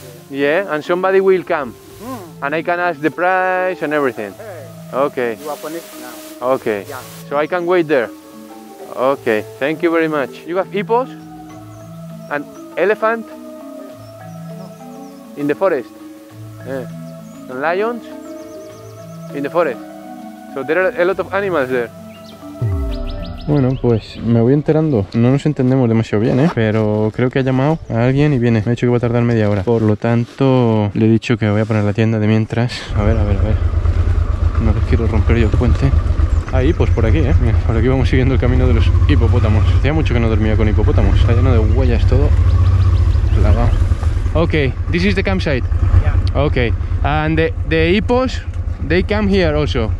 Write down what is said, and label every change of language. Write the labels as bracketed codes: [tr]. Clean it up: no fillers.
[en] Yeah, and somebody will come. And I can ask the price and everything. Okay. Okay. So I can wait there. Okay, thank you very much. You have hippos? An elephant? In the forest? Yeah. And lions? In the forest. So there are a lot of animals there. [es] Bueno, pues me voy enterando. No nos entendemos demasiado bien, ¿eh? Pero creo que ha llamado a alguien y viene. Me ha dicho que va a tardar media hora. Por lo tanto, le he dicho que voy a poner la tienda de mientras. A ver, a ver, a ver. No les quiero romper yo el puente. Ahí, pues por aquí, ¿eh? Mira, por aquí vamos siguiendo el camino de los hipopótamos. Hacía mucho que no dormía con hipopótamos. Está lleno de huellas todo. Plagado. [en] Ok, this is the campsite. Yeah. Okay. And the hippos, they come here also?